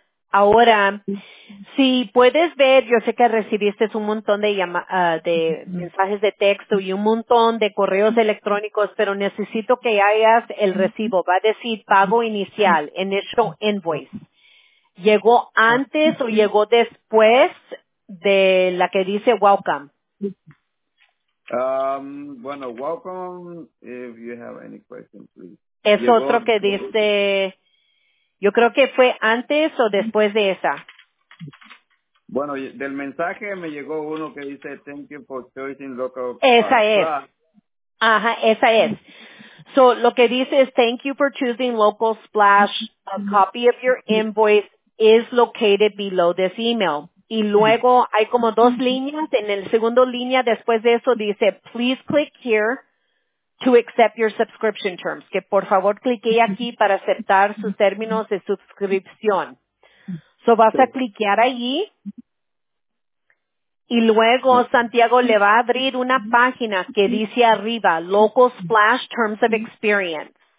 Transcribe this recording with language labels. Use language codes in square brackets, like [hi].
[es] Ahora, si puedes ver, yo sé que recibiste un montón de mensajes de texto y un montón de correos electrónicos, pero necesito que hagas el recibo. Va a decir pago inicial, [en] initial invoice. [es] ¿Llegó antes o llegó después de la que dice welcome? Bueno, [en] welcome, if you have any questions, please. [es] Es llegó, otro que dice, yo creo que fue antes o después de esa. Bueno, del mensaje me llegó uno que dice, [en] thank you for choosing local. [es] Esa es. Ajá, esa es. So, lo que dice es, [en] thank you for choosing local splash. A copy of your invoice is located below this email. [es] Y luego hay como dos líneas. En el segundo línea, después de eso, dice, [en] please click here to accept your subscription terms. [es] Que por favor, clique aquí para aceptar sus términos de suscripción. So, vas a cliquear allí. Y luego, Santiago le va a abrir una página que dice arriba, [en] local splash terms of experience.